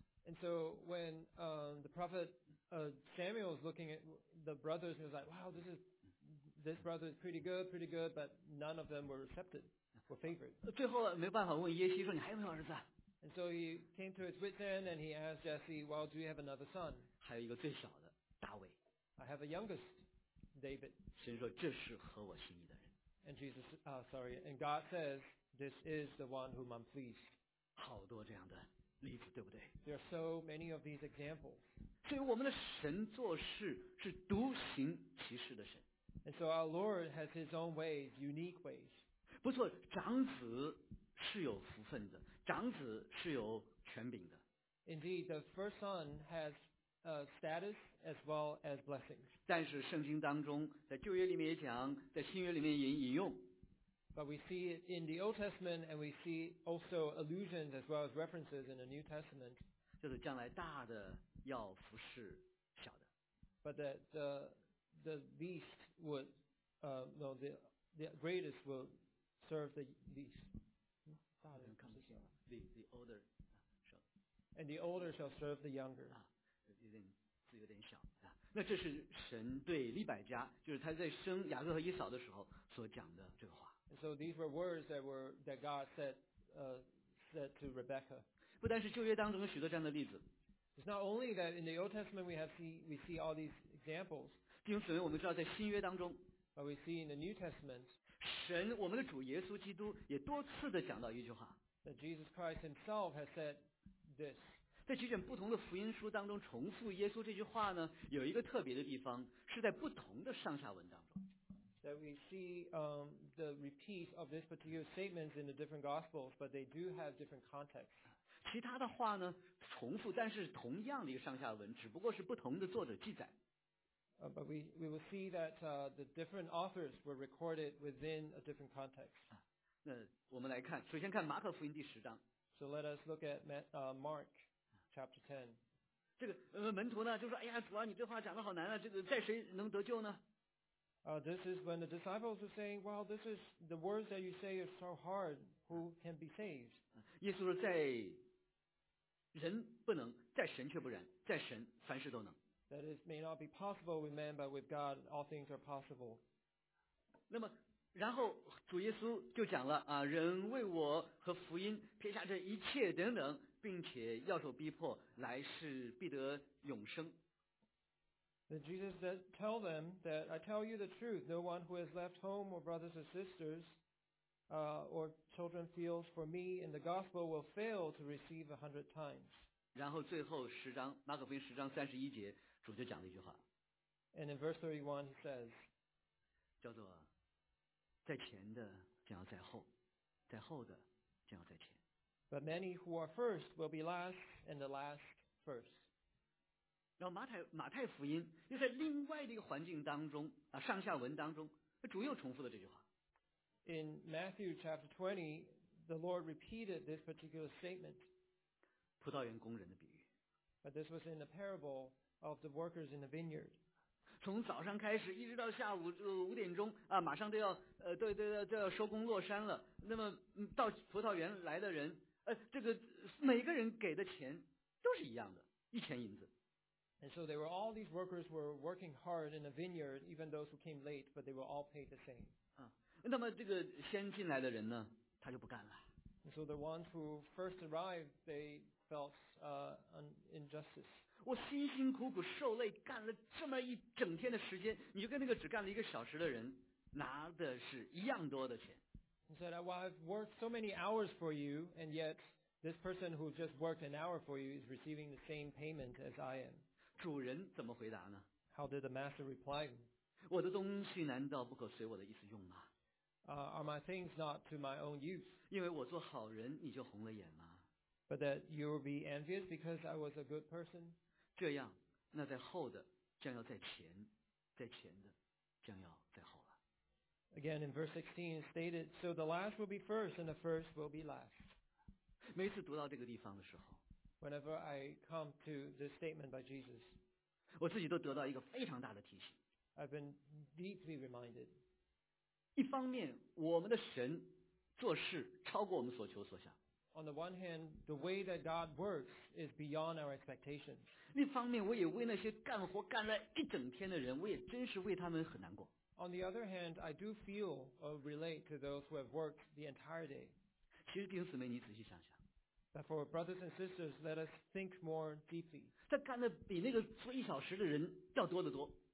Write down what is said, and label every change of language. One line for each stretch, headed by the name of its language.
English: And so when the prophet Samuel is looking at the brothers, he was like, wow, this brother is pretty good, but none of them were accepted, were favored.
Chinese: 最后没办法问耶西说你还有没有儿子啊？
English: And so he came to his wit's end and he asked Jesse, well, do you have another son?
Chinese: 还有一个最小的大卫。
English: I have a youngest, David.
Chinese: 神说这是合我心意的人。
English: And Jesus, and God says, this is the one whom I'm pleased.
Chinese: 好多这样的例子，对不对？
English: There are so many of these examples.
Chinese: 所以我们的神做事是独行其事的神。
English: And so our Lord has his own ways, unique ways.
Chinese: 不错，长子是有福分的，长子是有权柄的。
English: Indeed, the first son has a status as well as blessings.
Chinese: 但是圣经当中，在旧约里面也讲，在新约里面也引用。
English: But we see it in the Old Testament, and we see also allusions as well as references in the New Testament.
Chinese: 就是将来大的要服侍小的。
English: But that the least would, no, the greatest will serve the least. The older shall. And the older shall serve the younger.
Chinese: 有点字有点小。那这是神对利百加，就是他在生雅各和以扫的时候所讲的这个话。
English: So these were words that God said to Rebecca.
Chinese: 不单是旧约当中有许多这样的例子。
English: It's not only that in the Old Testament we see all these examples.
Chinese: 弟兄姊妹，我们知道在新约当中，
English: but we see in the New Testament,
Chinese: 神我们的主耶稣基督也多次的讲到一句话。
English: That Jesus Christ Himself has said this.
Chinese: 在几卷不同的福音书当中重复耶稣这句话呢，有一个特别的地方，是在不同的上下文当中。
English: That we see the repeat of this particular statements in the different gospels, but they do have different contexts.
Chinese: 其他的话呢，重复，但是同样的一个上下文，只不过是不同的作者记载。
English: But we will see that the different authors were recorded within a different context.
Chinese: 那我们来看，首先看马可福音第十章。
English: So let us look at Mark chapter 10.
Chinese: 这个门徒呢，就说：“哎呀，主啊，你这话讲得好难啊，这个在谁能得救呢？”
English: This is when the disciples are saying, well, this is the words that you say are so hard. Who can be saved?
Chinese: 耶稣说在人不能，在神却不然，在神凡事都能。
English: That is may not be possible with man, but with God, all things are possible.
Chinese: 那么然后主耶稣就讲了啊，人为我和福音撇下这一切等等，并且要受逼迫，来世必得永生。
English: Then Jesus said, tell them that I tell you the truth, no one who has left home or brothers or sisters or children feels for me in the gospel will fail to receive 100 times.
Chinese: 然后最后十章，马可福音十章三十一节，主就讲了一句话。
English: And in verse 31 he says,
Chinese: 叫做在前的将要在后，在后的将要在前。
English: But many who are first will be last and the last first.
Chinese: 然后马太福音又在另外的一个环境当中啊，上下文当中，主又重复了这句话。
English: In Matthew chapter 20, the Lord repeated this particular statement.
Chinese: 葡萄园工人的比喻。
English: But this was in the parable of the workers in the vineyard.
Chinese: 从早上开始一直到下午五点钟啊，马上都要收工落山了。那么到葡萄园来的人，这个每个人给的钱都是一样的，一钱银子。
English: And so they were all these workers were working hard in a vineyard, even those who came late, but they were all paid the same.
Chinese: 那么这个先进来的人呢，他就不干了。
English: And so the ones who first arrived, they felt an injustice.
Chinese: 我辛辛苦苦受累干了这么一整天的时间，你就跟那个只干了一个小时的人拿的是一样多的钱。
English: He said, well, I've worked so many hours for you, and yet this person who just worked an hour for you is receiving the same payment as I am.
Chinese: 主人怎么回答呢？
English: How did the master reply?
Chinese: 我的东西难道不可随我的意思用吗？
English: Are my things not to my own use?
Chinese: 因为我做好人，你就红了眼吗？
English: But that you will be envious because I was a good person?
Chinese: 这样，那在后的将要在前，在前的将要在后。
English: Again, in verse 16, it stated, so the last will be first, and the first will be last.
Chinese: 每次读到这个地方的时候，
English: Whenever I come to this statement by Jesus,
Chinese: 我自己都得到一个非常大的提醒。
English: I've been deeply reminded.
Chinese: 一方面，我们的神做事超过我们所求所想。
English: On the one hand, the way that God works is beyond our expectations.
Chinese: 另一方面，我也为那些干活干了一整天的人，我也真是为他们很难过。
English: On the other hand, I do feel or relate to those who have worked the entire day.
Chinese: 其实弟兄姊妹，你仔细想想。
English: But for brothers and sisters, let us think more deeply.
Chinese: 他干的比那个做一小时的人要多得多。